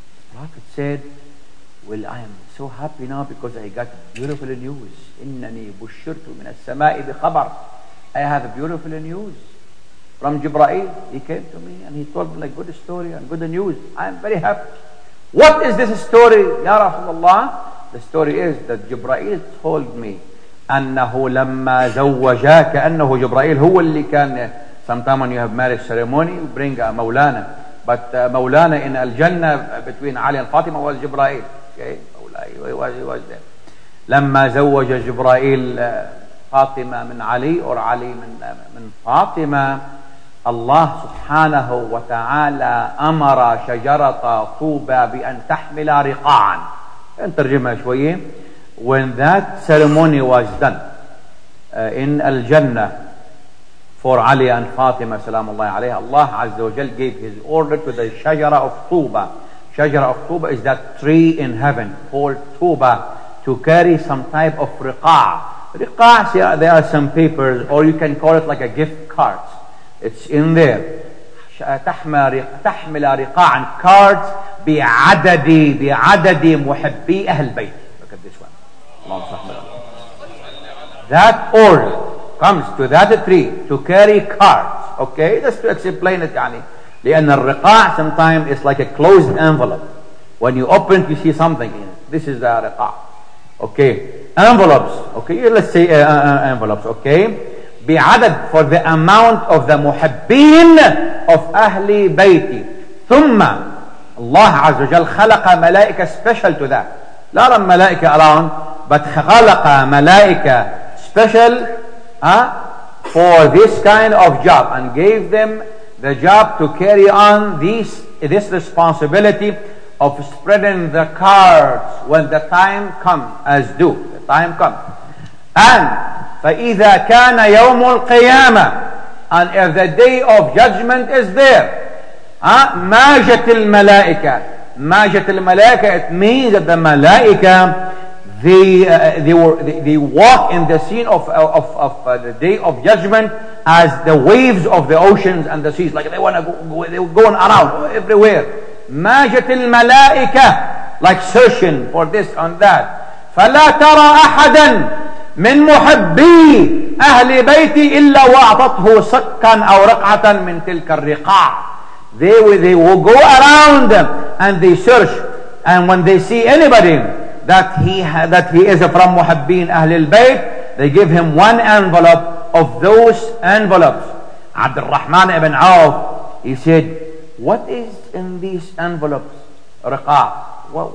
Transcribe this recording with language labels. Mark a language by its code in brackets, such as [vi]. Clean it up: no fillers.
[en] The Prophet said, well, I am so happy now because I got beautiful news. Innani bushirtu min as-samai bi khabar. I have a beautiful news from Jibreel. He came to me and he told me a good story and good news. I am very happy. What is this story, Ya Rasulullah? The story is that Jibreel told me, [ar] أنه لما زوجاك أنه جبرائيل هو اللي كان. [en] Sometimes when you have marriage ceremony, you bring a Mawlana. But Mawlana in Al-Jannah between Ali and Fatima was Jibreel. Okay, Mawlana, he was there. [ar] لما زوج جبرائيل فاطمة من علي or علي من فاطمة, الله سبحانه وتعالى أمر شجرة طوبى بأن تحمل رقاعا. ترجمها شوية. [en] When that ceremony was done in Al-Jannah for Ali and Fatima salamullahi alayha, Allah Azza wa Jal gave his order to the Shajara of Tuba. Shajara of Tuba is that tree in heaven called Tuba, to carry some type of riqa'. Riqa', yeah, there are some papers, or you can call it like a gift card. It's in there. [ar] تحمل riqa' [en] and cards [ar] بعدد محبي أهل البيت. [en] Look at this one. That order comes to that tree to carry cards. Okay, just to explain it, يعني. [ar] لأن الرقاع [en] sometimes is like a closed envelope. When you open it, you see something in it. This is the رقاع. Okay, envelopes. Okay, let's say envelopes. Okay, بعدد for the amount of the محبين of أهل بيتي. [ar] ثم الله عز وجل خلق ملائكة [en] special to that. [ar] لا رم ملائكة around. [en] But [ar] خلق ملائكة [en] special for this kind of job, and gave them the job to carry on this responsibility of spreading the cards when the time comes, as due. The time comes. And [ar] فإذا كان يوم القيامة, [en] and if the day of judgment is there, [ar] ماجت الملائكة. ماجت الملائكة, [en] it means that the ملائكة, they walk in the scene of the day of judgment as the waves of the oceans and the seas, like they want to go, they're going around everywhere. [ar] ماجت الملائكة, [en] like searching for this and that. [ar] فلا ترى أحدا من محبي أهل بيتي إلا وأعطته سكا أو رقعة من تلك الرقاع. [en] They will go around them and they search, and when they see anybody that he is from Muhabbin Ahlul Bayt, they give him one envelope of those envelopes. Abd al-Rahman ibn Auf, he said, what is in these envelopes, Riqa?